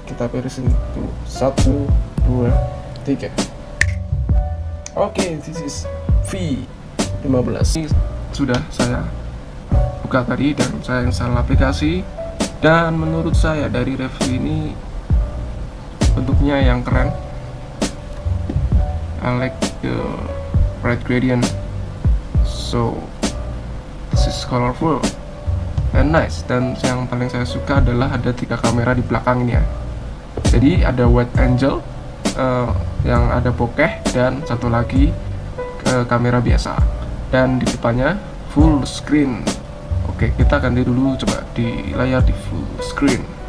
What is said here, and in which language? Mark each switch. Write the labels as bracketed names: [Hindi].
[Indonesian] Kita beresin dulu 1 2 3. [English] Oke, this is V15. [Indonesian] Ini sudah saya buka tadi dan saya install aplikasi dan menurut saya dari review ini bentuknya yang keren. [English] I like the red gradient, so this is colorful and nice. [Indonesian] Dan yang paling saya suka adalah ada 3 kamera di belakangnya. Jadi ada white angel yang ada bokeh dan satu lagi kamera biasa. Dan di depannya full screen. Oke, kita ganti dulu coba di layar di full screen.